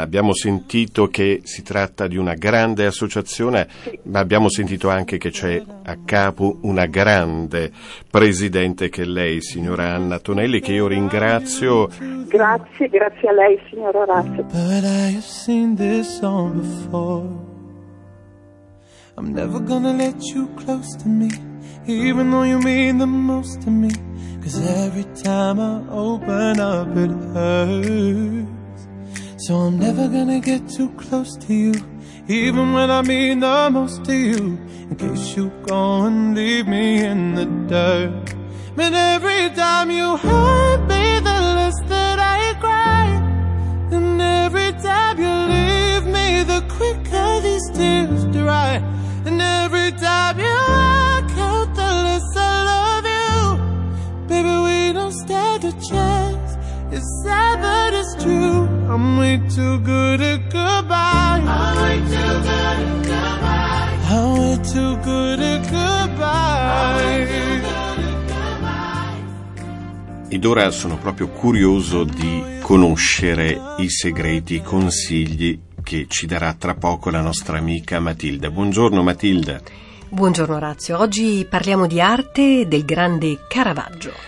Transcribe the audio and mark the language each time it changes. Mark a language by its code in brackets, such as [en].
[it] Abbiamo sentito che si tratta di una grande associazione, ma abbiamo sentito anche che c'è a capo una grande presidente, che è lei, signora Anna Tonelli, che io ringrazio. Grazie, grazie a lei, signora Orazio. [en] Before. I'm never gonna let you close to me, even though you mean the most to me, 'cause every time I open up it hurts. So I'm never gonna get too close to you, even when I mean the most to you, in case you go and leave me in the dirt. But every time you hurt me, the less that I cry, and every time you leave me, the quicker these tears dry. And every time you walk out, the less I love you, baby. chance is sad, but it's true. I'm way too good at goodbye. I'm way too good at goodbye. I'm way too good at goodbye. I'm way too good. [it] Ed ora sono proprio curioso di conoscere i segreti, i consigli che ci darà tra poco la nostra amica Matilda. Buongiorno Matilda. Buongiorno Orazio, oggi parliamo di arte e del grande Caravaggio.